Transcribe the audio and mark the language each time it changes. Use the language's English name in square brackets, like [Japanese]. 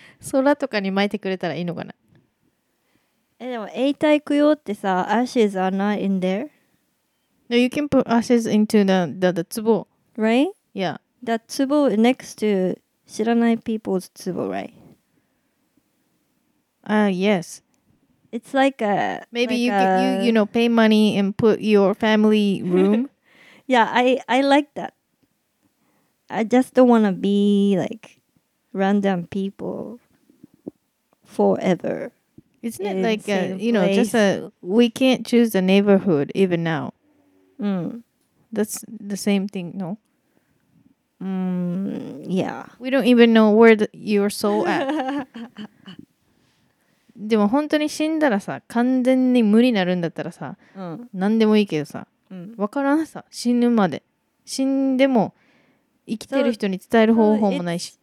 [Japanese] 空とかに巻いてくれたらいいのかな。え、でも永代供養ってさ、 [English] ashes are not in there? No, you can put ashes into the 壺 Right? Yeah. That 壺 next to [Japanese] 知らない [English] people's 壺, right? Yes. It's like a... Maybe like you, a... Can, you know, pay money and put your family room. Yeah, I like that. I just don't want to be like... random people forever. Isn't it like, a, you know, just a, we can't choose the neighborhood even now. Mm. That's the same thing, no? Mm, yeah. We don't even know where the, your soul at. [Japanese] でも本当に死んだらさ、完全に無理になるんだったらさ、うん、何でもいいけどさ、わ、うん、からんさ、死ぬまで。死んでも、生きてる人に伝える方法もないし。